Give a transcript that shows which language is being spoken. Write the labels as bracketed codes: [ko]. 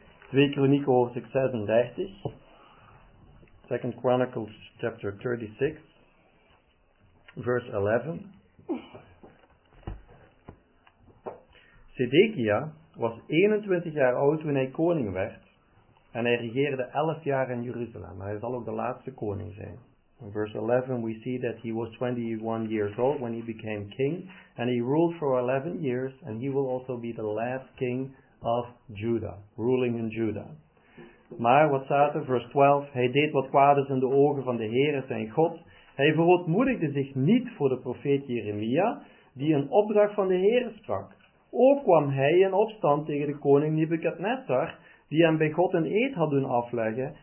[nl] 2 Kronieken hoofdstuk 36. [en] 2 Chronicles chapter 36. Verse 11. [nl] Zedekia was 21 jaar oud toen hij koning werd. En hij regeerde 11 jaar in Jeruzalem. Hij zal ook de laatste koning zijn. [en] In verse 11 we see that he was 21 years old when he became king. And he ruled for 11 years. And he will also be the last king of Judah. Ruling in Judah. [nl] Maar wat staat er? [en] Verse 12. [nl] Hij deed wat kwaad is in de ogen van de Heere zijn God. Hij verootmoedigde zich niet voor de profeet Jeremia, die een opdracht van de Heere sprak. Ook kwam hij in opstand tegen de koning Nebukadnezar, die hem bij God een eed had doen afleggen.